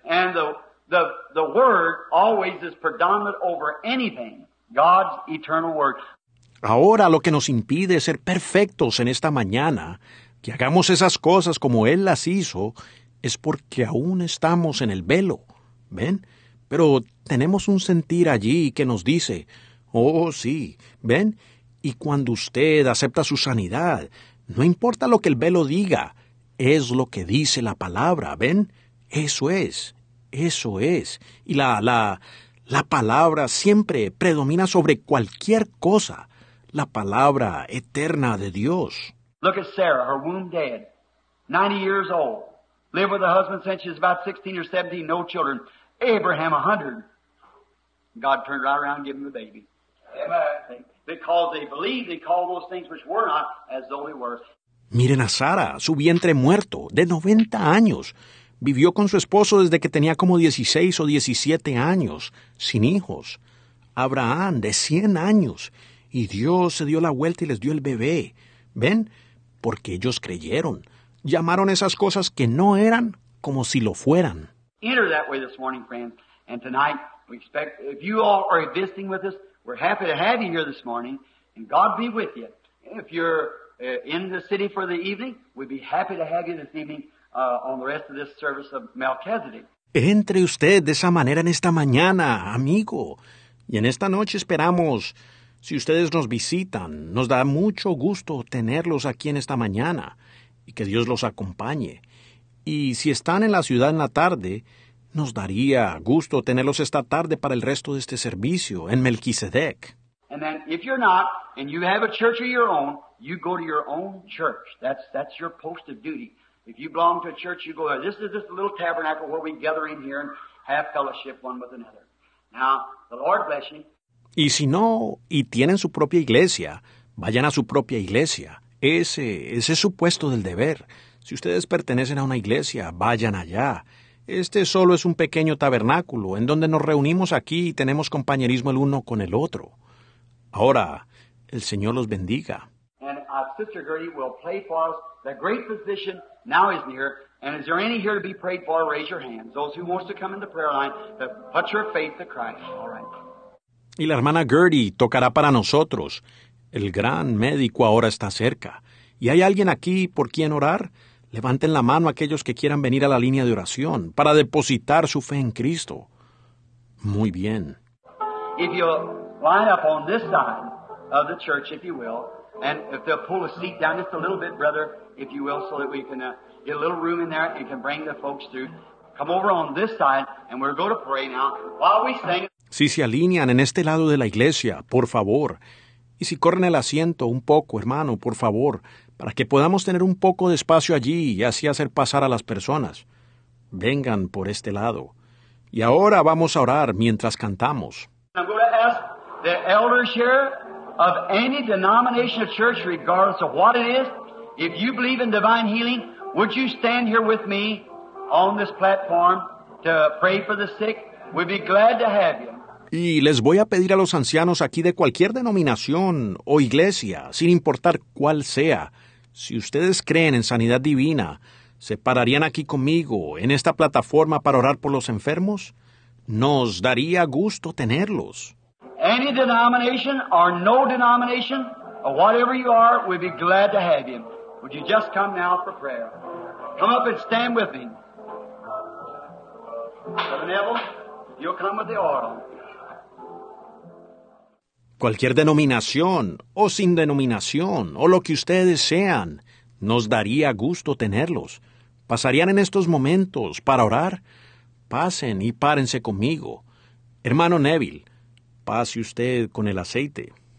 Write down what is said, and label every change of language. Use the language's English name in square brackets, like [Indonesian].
[English] And the Word always is predominant over anything. God's eternal Word. [Spanish] Ahora lo que nos impide ser perfectos en esta mañana, que hagamos esas cosas como Él las hizo, es porque aún estamos en el velo. ¿Ven? Pero tenemos un sentir allí que nos dice, Oh, sí. ¿Ven? Y cuando usted acepta su sanidad, no importa lo que el velo diga, es lo que dice la palabra. ¿Ven? Eso es. Eso es. Y la palabra siempre predomina sobre cualquier cosa. La palabra eterna de Dios. [English] Look at Sarah, her womb dead, 90 years old. Live with her husband since she's about 16 or 17, no children. Abraham, 100. God turned right around and gave him the baby. Amen. Because they believed, they called those things which were not as though they were. [Spanish] Miren a Sara, su vientre muerto, de 90 años. Vivió con su esposo desde que tenía como 16 o 17 años, sin hijos. Abraham, de 100 años. Y Dios se dio la vuelta y les dio el bebé. ¿Ven? Porque ellos creyeron. Llamaron esas cosas que no eran como si lo fueran. [English] Enter that way this morning, friends. And tonight, we expect, if you all are visiting with us, we're happy to have you here this morning. And God be with you. If you're in the city for the evening, we'd be happy to have you this evening on the rest of this service of Melchizedek. [Spanish] Entre usted de esa manera en esta mañana, amigo. Y en esta noche esperamos, si ustedes nos visitan, nos da mucho gusto tenerlos aquí en esta mañana. Y que Dios los acompañe. Y si están en la ciudad en la tarde, nos daría gusto tenerlos esta tarde para el resto de este servicio en Melquisedec. [English] And then if you're not and you have a church of your own, you go to your own church. That's your post of duty. If you belong to a church, you go there. This is just a little tabernacle where we gather in here and have fellowship one with another. Now, the Lord bless you. [Spanish] Y si no y tienen su propia iglesia, vayan a su propia iglesia. Ese es su puesto del deber. Si ustedes pertenecen a una iglesia, vayan allá. Este solo es un pequeño tabernáculo en donde nos reunimos aquí y tenemos compañerismo el uno con el otro. Ahora, el Señor los bendiga. [English] And Sister Gertie will play for us. The great physician now is near. And is there any here to be prayed for? Raise your hands. Those who want to come in the prayer line, to put your faith to Christ. All right. [Spanish] Y la hermana Gertie tocará para nosotros. El gran médico ahora está cerca. ¿Y hay alguien aquí por quien orar? Levanten la mano aquellos que quieran venir a la línea de oración para depositar su fe en Cristo. Muy bien. [English] If you line up on this side of the church, if you will, and if they'll pull a seat down just a little bit, brother, if you will, so that we can get a little room in there and can bring the folks through. Come over on this side, and we're going to pray now while we sing. [Spanish] Si se alinean en este lado de la iglesia, por favor. Y si corren el asiento un poco, hermano, por favor, para que podamos tener un poco de espacio allí y así hacer pasar a las personas. Vengan por este lado. Y ahora vamos a orar mientras cantamos. [English] I'm going to ask the elders here of any denomination of church, regardless of what it is, if you believe in divine healing, would you stand here with me on this platform to pray for the sick? We'd be glad to have you. [Spanish] Y les voy a pedir a los ancianos aquí de cualquier denominación o iglesia, sin importar cuál sea, si ustedes creen en sanidad divina, ¿se pararían aquí conmigo en esta plataforma para orar por los enfermos? Nos daría gusto tenerlos. [English] Any denomination or no denomination, or whatever you are, we'd be glad to have you. Would you just come now for prayer? Come up and stand with me. Brother Neville, you'll come with the oral. [Spanish] Cualquier denominación, o sin denominación, o lo que ustedes sean, nos daría gusto tenerlos. ¿Pasarían en estos momentos para orar? Pasen y párense conmigo. Hermano Neville, pase usted con el aceite.